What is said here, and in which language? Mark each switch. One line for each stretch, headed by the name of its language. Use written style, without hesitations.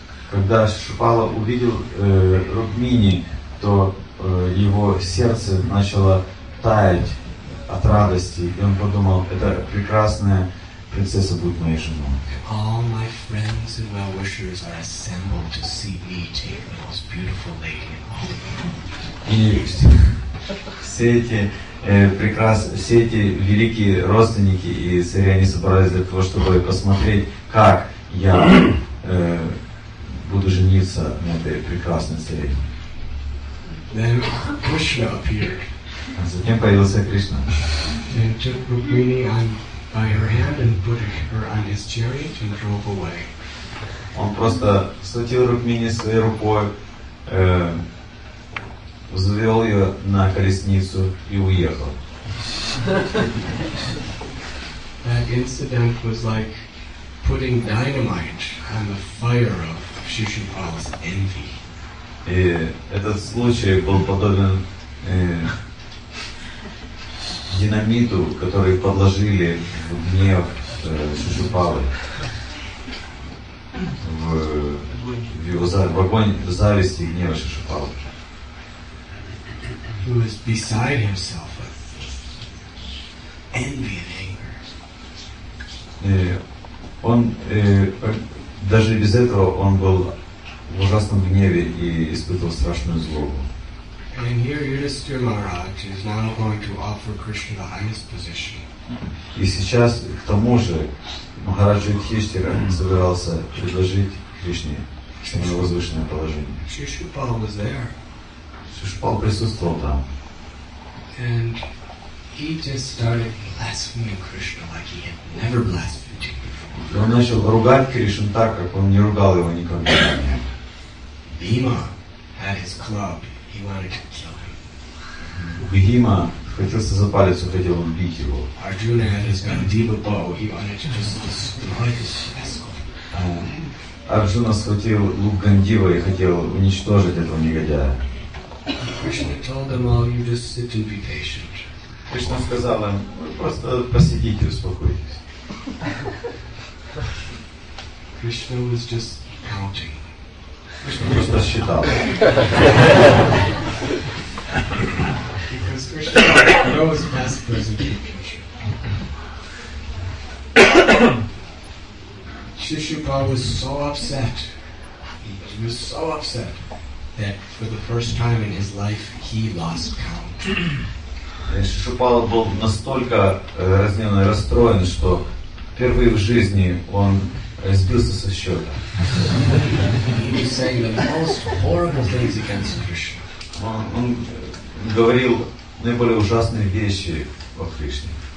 Russian: Когда Шишупала увидел Рукмини, то его сердце начало таять от радости, и он подумал, это прекрасная принцесса будет моей женой.
English: All my friends and well-wishers are assembled to see me take the most beautiful lady in all the world.
Russian: И все эти прекрасные, все эти великие родственники и цари, они собрались для того, чтобы посмотреть, как я буду жениться на этой прекрасной цари.
English: Then Krishna appeared.
Russian: А затем появился Кришна.
English: And took Rukmini on by her hand and put her on his chariot and drove away.
Russian: Он просто схватил Рукмини своей рукой, взвел ее на колесницу и уехал.
English: That incident was like putting dynamite on the fire of Shishupala's envy.
Russian: И этот случай был подобен динамиту, который подложили мне в Шишупалы, в его в огонь зависти и гнева Шишупалы.
English: Who is beside himself with envy and anger.
Russian: Он даже без этого он был в ужасном гневе и испытывал страшную злобу.
English: And here Yudhisthira Maharaj is now going to offer Krishna the highest position.
Russian: И сейчас к тому же Махараджа Юдхиштхира собирался предложить Кришне самое возвышенное положение.
English: Шишупал was there.
Russian: Шишупал присутствовал там.
English: And he just started blaspheming Krishna like he had never blasphemed him before.
Russian: Он начал ругать Кришну так, как он не ругал его никогда.
English: Bhima had his club. He wanted to kill him.
Russian: Bhima хотел запалить, хотел убить его.
English: Arjuna had his Gandiva bow. He wanted to just destroy his shesko.
Russian: Arjuna схватил лук Гандива и хотел уничтожить этого негодяя.
English: Krishna told them all, you just sit and be patient.
Russian: Krishna сказал им, просто посидите, успокойтесь.
English: Krishna was just counting.
Russian: Просто считал.
English: Because Krishna knows best present in future. Shishupal was so upset. He was so upset that for the first time in his life he lost count.
Russian: Шишупала был настолько разъярённый и расстроен, что впервые в жизни он сбился со счета.
English: He was saying the most horrible things against Krishna.
Russian: Он говорил наиболее ужасные вещи о Кришне.